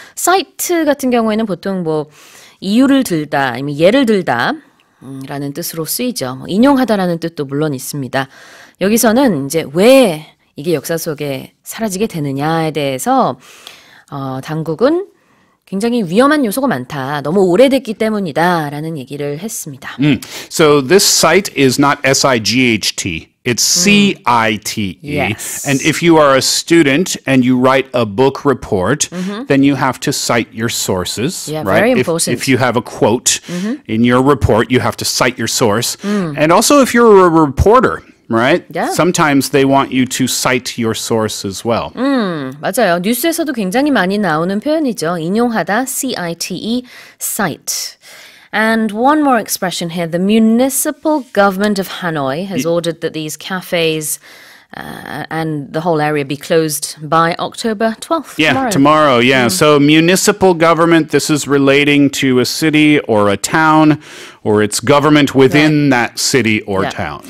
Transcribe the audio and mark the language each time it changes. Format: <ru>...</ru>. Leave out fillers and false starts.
<ko>site 같은 경우에는 보통 뭐 이유를 들다, 아니면 예를 들다 라는 뜻으로 쓰이죠. 뭐 인용하다라는 뜻도 물론 있습니다. 여기서는 이제 왜 이게 역사 속에 사라지게 되느냐에 대해서 당국은 굉장히 위험한 요소가 많다. 너무 오래됐기 때문이다. 라는 얘기를 했습니다.</ko> <en>So this site is not S-I-G-H-T. It's C-I-T-E. Yes. And if you are a student and you write a book report, then you have to cite your sources. Yeah, right? Very important. If you have a quote in your report, you have to cite your source. And also if you're a reporter, right? Yeah. Sometimes they want you to cite your source as well.</en> <ko>맞아요. 뉴스에서도 굉장히 많이 나오는 표현이죠. 인용하다,</ko> <en>C-I-T-E, cite. And one more expression here. The municipal government of Hanoi has ordered that these cafes and the whole area be closed by October 12th. Yeah, tomorrow. Yeah. So municipal government, this is relating to a city or a town or its government within that city or town.</en>